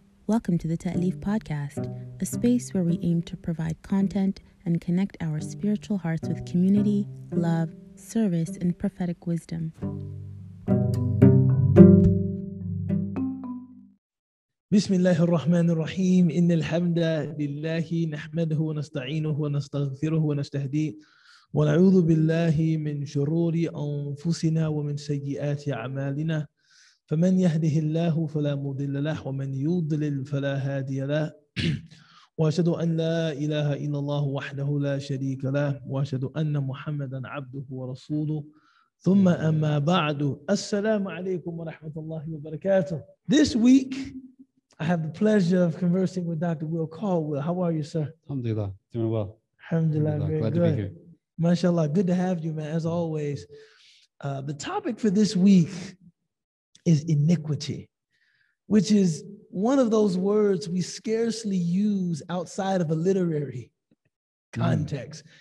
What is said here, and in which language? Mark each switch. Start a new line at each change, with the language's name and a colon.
English: Welcome to the Ta'lif Podcast, a space where we aim to provide content and connect our spiritual hearts with community, love, service, and prophetic wisdom.
Arabic: بسم الله الرحمن الرحيم إن الحمد لله نحمده ونستعينه ونستغفره ونستهديه ونعوذ بالله من شرور أنفسنا ومن سيئات أعمالنا فمن يهده الله فلا مضل له ومن يضلل فلا هادي له وأشهد أن لا إله إلا الله وحده لا شريك له وأشهد أن محمدا عبده ورسوله ثم أما بعد السلام عليكم ورحمة الله وبركاته.
English: This week I have the pleasure of conversing with Dr. Will Caldwell. How are you, sir? Alhamdulillah, doing well. Alhamdulillah, very glad good. To be here. MashaAllah, good to have you, man, as always. The topic for this week is iniquity, which is one of those words we scarcely use outside of a literary context.